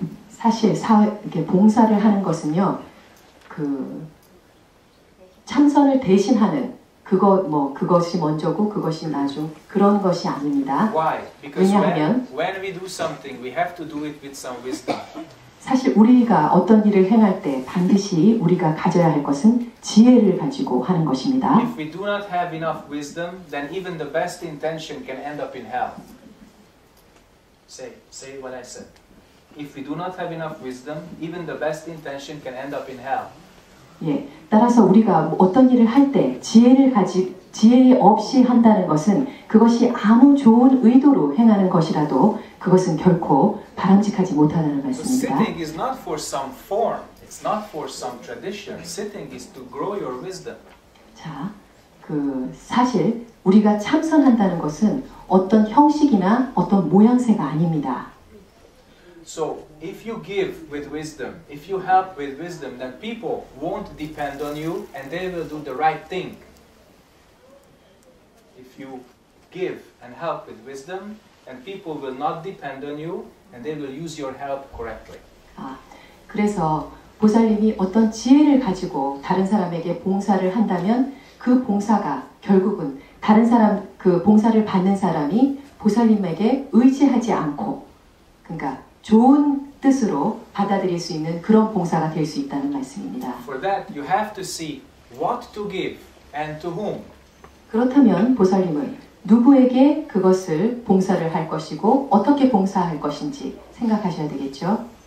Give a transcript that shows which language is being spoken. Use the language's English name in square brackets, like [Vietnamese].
[Korean] 사실 사회 이렇게 봉사를 하는 것은요, 그 참선을 대신하는 그거 뭐 그것이 먼저고 그것이 나중 그런 것이 아닙니다. [English] Why? Because [Korean] 왜냐하면 [English] when we do something, we have to do it with some wisdom. [Korean] 사실 우리가 어떤 일을 행할 때 반드시 우리가 가져야 할 것은 지혜를 가지고 하는 것입니다. [English] If we do not have enough wisdom, then even the best intention can end up in hell. Say what I said. If we do not have enough wisdom, even the best intention can end up in hell. [Korean] 예, 따라서 우리가 어떤 일을 할 때 지혜를 가지 지혜 없이 한다는 것은 그것이 아무 좋은 의도로 행하는 것이라도 그것은 결코 바람직하지 못하다는 말씀입니다. [English] Sitting is not for some form. It's not for some tradition. Sitting is to grow your wisdom. [Korean] 자, 그 사실 우리가 참선한다는 것은 어떤 형식이나 어떤 모양새가 아닙니다. [English] So if you give with wisdom, if you help with wisdom, then people won't depend on you and they will do the right thing. If you give and help with wisdom, and people will not depend on you and they will use your help correctly. [Korean] 아, 그래서 보살님이 어떤 지혜를 가지고 다른 사람에게 봉사를 한다면 그 봉사가 결국은 다른 사람 그 봉사를 받는 사람이 보살님에게 의지하지 않고 그러니까 좋은 뜻으로 받아들일 수 있는 그런 봉사가 될 수 있다는 말씀입니다. [English] For that, you have to see what to give and to whom. [Korean] 그렇다면 보살님은 누구에게 그것을 봉사를 할 것이고 어떻게 봉사할 것인지 생각하셔야 되겠죠.